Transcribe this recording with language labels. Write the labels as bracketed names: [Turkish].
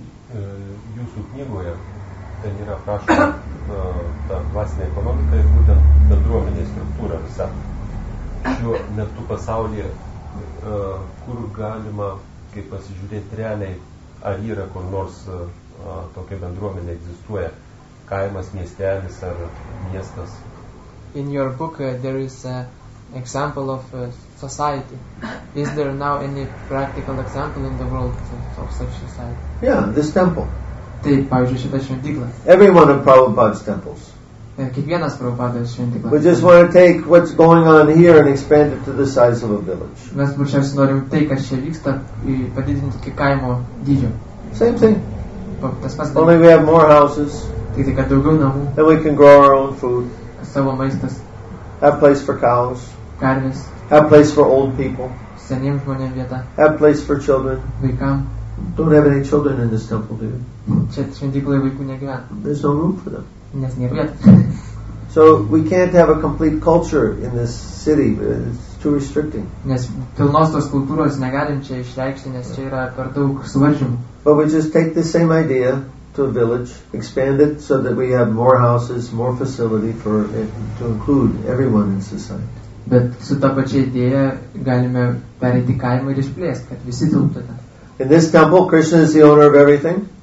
[Lithuanian] Jūsų knygoje ten yra prašoma ta dvasinė ekonomika ir būtent bendruomenė struktūra visa. Šiuo metu pasaulyje, kur galima kaip pasižiūrėti realiai, ar yra kur nors tokia bendruomenė egzistuoja, kaimas, miestelis ar miestas. [English] In your book there is an example of society. Is there now any practical example in the world of such society? Yeah, this temple. [Lithuanian] Taip, pavyzdžiui, šita šventykla. [English] Every one of Prabhupada's temples. [Lithuanian] Kiekvienas Prabhupada's šventykla. [English] We just want to take what's going on here and expand it to the size of a village. [Lithuanian] Mes paprasčiausiai norim tai, kas čia vyksta, padidinti iki kaimo dydžio. [English] Same thing. [Lithuanian] Tas pats. [English] Only we have more houses. [Lithuanian] Tik tai, kad daugiau namų. [English] Then we can grow our own food. [Lithuanian] Savo maistas. [English] Have place for cows. [Lithuanian] Karvės. [English] Have place for old people. [Lithuanian] Seniem žmonėm vieta. [English] Have place for children. [Lithuanian] Vaikam. [English] Don't have any children in this temple, do you? [Lithuanian] Čia šventykloje vaikų negyvena. [English] There's no room for them. [Lithuanian] Nes nėra vieta. [English] So we can't have a complete culture in this city. It's too restricting. [Lithuanian] Nes pilnos tos kultūros negalim čia išreikšti, nes čia yra per daug suvaržymų. [English] But we just take the same idea. to a village, expand it so that we have more houses, more facility for it to include everyone in society. [Lithuanian] Bet su ta pačia idėja galime pereiti kaimą ir išplėsti, kad visi tilptų ten. [English] In this temple, Krishna is the owner of everything.